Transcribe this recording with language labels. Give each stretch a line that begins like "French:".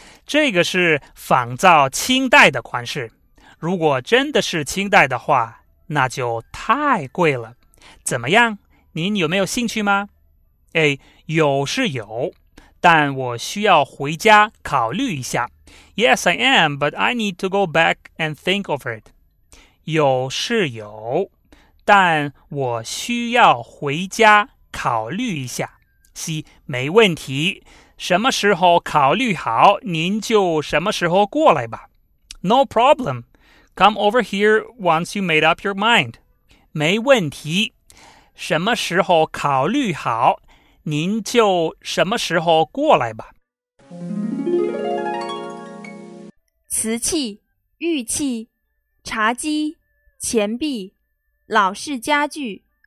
Chinese: 这个是仿造清代的款式，如果真的是清代的话，那就太贵了。怎么样？您有没有兴趣吗？哎，有是有，但我需要回家考虑一下。
English: Yes, I am, but I need to go back and think over it.
Chinese: 有是有，但我需要回家考虑一下。行，没问题。什么时候考虑好，您就什么时候过来吧。
English: No problem. Come over here once you made up your mind.
Chinese: 没问题。什么时候考虑好，您就什么时候过来吧。瓷器、玉器、茶几、钱币、老式家具。